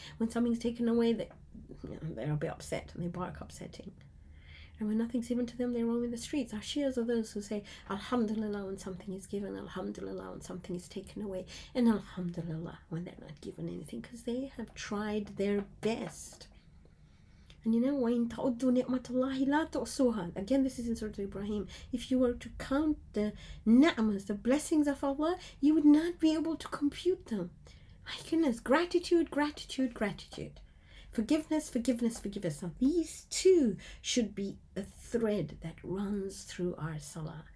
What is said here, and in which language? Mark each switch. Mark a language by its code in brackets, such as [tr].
[en] When something's taken away, they're a bit upset and they bark upsetting. And when nothing's given to them, they roam in the streets. Our Shias are those who say, Alhamdulillah when something is given, Alhamdulillah when something is taken away, and Alhamdulillah when they're not given anything, because they have tried their best. And you know, [ar] وَإِن تَعُدُّ نِعْمَةَ اللَّهِ لَا تُعْصُوهَا. [en] Again, this is in Surah Ibrahim. If you were to count the ni'mas, the blessings of Allah, you would not be able to compute them. My goodness, gratitude, gratitude, gratitude. Forgiveness, forgiveness, forgiveness. Now, these two should be a thread that runs through our salah.